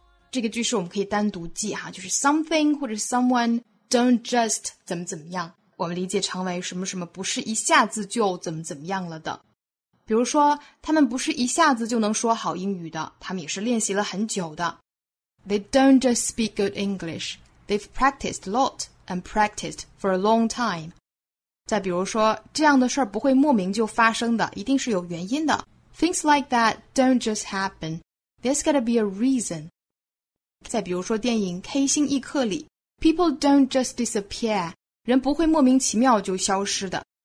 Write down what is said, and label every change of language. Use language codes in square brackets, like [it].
[zh] 这个句式我们可以单独记哈，就是 something 或者 someone don't just 怎么怎么样，我们理解成为什么什么不是一下子就怎么怎么样了的。比如说他们不是一下子就能说好英语的，他们也是练习了很久的。 [en] They don't just speak good English. They've practiced a lot and practiced for a long time. [zh] 再比如说这样的事儿不会莫名就发生的，一定是有原因的。 [en] Things like that don't just happen. There's gotta be a reason. [zh] 再比如说电影 K 星一刻里， [en] People don't just disappear. [zh] 人不会莫名其妙就消失的。